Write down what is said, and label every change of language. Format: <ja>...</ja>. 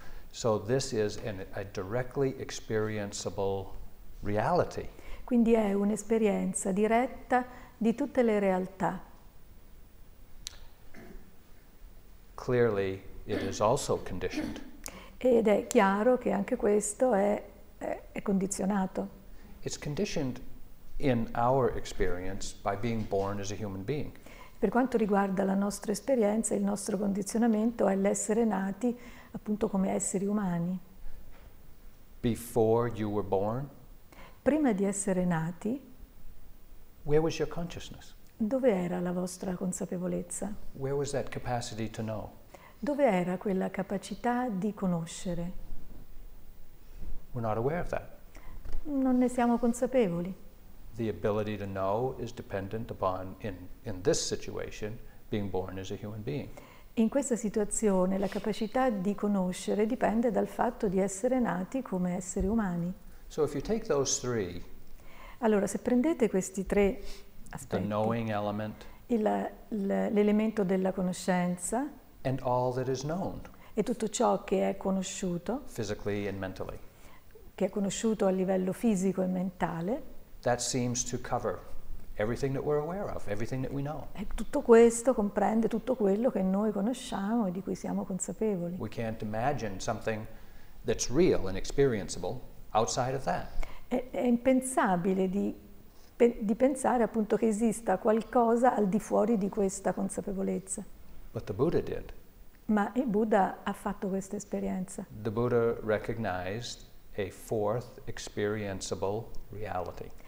<en>So this is a directly experienceable reality.</en> <it>Quindi è un'esperienza diretta di tutte le realtà.</it> <en>Clearly it is also conditioned.</en> <it>Ed è chiaro che anche questo è condizionato.</it> <en>It's conditioned in our experience by being born as a human being.</en> <it>Per quanto riguarda la nostra esperienza, il nostro condizionamento è l'essere nati appunto come esseri umani.</it> <en>Before you were born?</en> <it>Prima di essere nati.</it> <en>Where was your consciousness?</en> <it>Dove era la vostra consapevolezza?</it> <en>Where was that capacity to know?</en> <it>Dove era quella capacità di conoscere?</it> <en>We're not aware of that.</en> <it>Non ne siamo consapevoli.</it> <en>the ability to know is dependent upon, in this situation, being born as a human being.</en> <it>In questa situazione la capacità di conoscere dipende dal fatto di essere nati come esseri umani.</it> <en>So if you take those three,</en> <it>allora, se prendete questi tre aspetti,</it> <en>the knowing element,</en> <it>l'elemento della conoscenza</it> <en>and all that is known,</en> <it>e tutto ciò che è conosciuto,</it> <en>physically and mentally,</en> <it>che è conosciuto a livello fisico e mentale,</it> <en>that seems to cover everything that we're aware of, everything that we know.</en> <it>E tutto questo comprende tutto quello che noi conosciamo e di cui siamo consapevoli.</it> <en>We can't imagine something that's real and experienceable outside of that.</en> <it>È impensabile di pensare appunto che esista qualcosa al di fuori di questa consapevolezza.</it> <en>But the Buddha did.</en> <it>Ma il Buddha ha fatto questa esperienza.</it> <en>The Buddha recognized a fourth experienceable reality.</en>